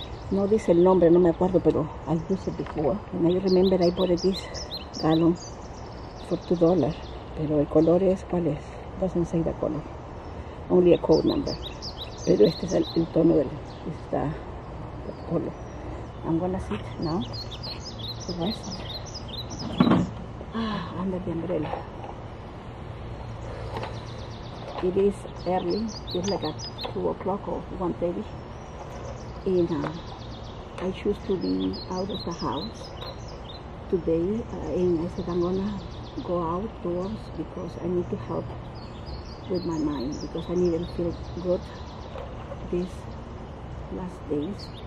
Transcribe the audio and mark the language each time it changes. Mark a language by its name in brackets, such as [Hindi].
[Spanish] No dice el nombre, no me acuerdo, pero [English] I used it before. And I remember I bought this gallon for $2. [Spanish] Pero el color es, ¿cuál es? [English] Doesn't say the color. Only a code number. [Spanish] Pero este es el tono del esta color. [English] I'm gonna sit now to rest under the umbrella. It is early, it's like at 2 o'clock or 1:30, and I choose to be out of the house today, and I said I'm gonna go outdoors because I need to help with my mind, because I need to feel good these last days.